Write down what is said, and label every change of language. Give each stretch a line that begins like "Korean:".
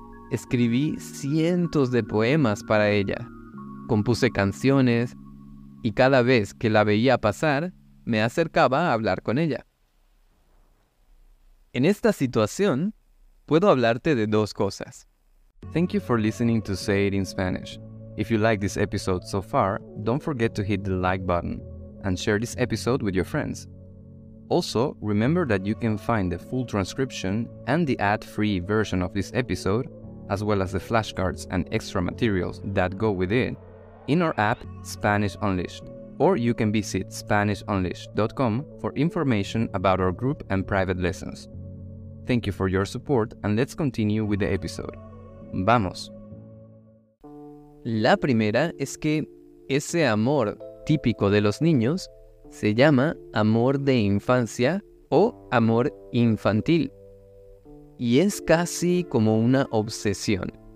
Spanish: Escribí cientos de poemas para ella. Compuse canciones. Y cada vez que la veía pasar, me acercaba a hablar con ella. En esta situación, puedo hablarte de dos cosas.
English: Thank you for listening to Say It in Spanish. If you like this episode so far, don't forget to hit the like button and share this episode with your friends. Also, remember that you can find the full transcription and the ad-free version of this episode, as well as the flashcards and extra materials that go with it, in our app Spanish Unleashed, or you can visit SpanishUnleashed.com for information about our group and private lessons. Thank you for your support, and let's continue with the episode.
Spanish: ¡Vamos! La primera es que ese amor típico de los niños se llama amor de infancia o amor infantil, y es casi como una obsesión.